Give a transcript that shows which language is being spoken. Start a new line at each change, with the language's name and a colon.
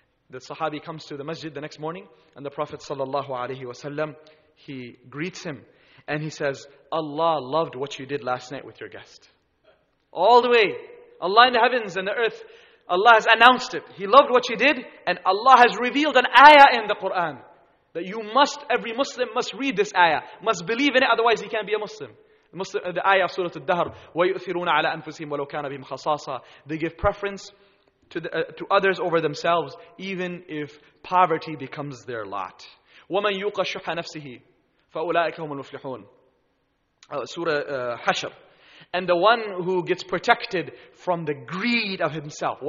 English: The Sahabi comes to the masjid the next morning, and the Prophet sallallahu alaihi wasallam, he greets him, and he says, Allah loved what you did last night with your guest. All the way, Allah in the heavens and the earth, Allah has announced it. He loved what you did, and Allah has revealed an ayah in the Quran that you must, every Muslim must read this ayah, must believe in it, otherwise he can't be a Muslim. The ayah of Surah Al-Dahr,
Arabic: وَيُؤْثِرُونَ عَلَىٰ أَنفُسِهِمْ وَلَوْ كَانَ بِهِمْ خَصَاصًا.
English: They give preference to others over themselves, even if poverty becomes their lot.
Arabic: وَمَنْ يُوقَ شُحَ نَفْسِهِ فَأُولَٰئِكَ هُمُ الْمُفْلِحُونَ. Surah Hashr.
English: And the one who gets protected from the greed of himself.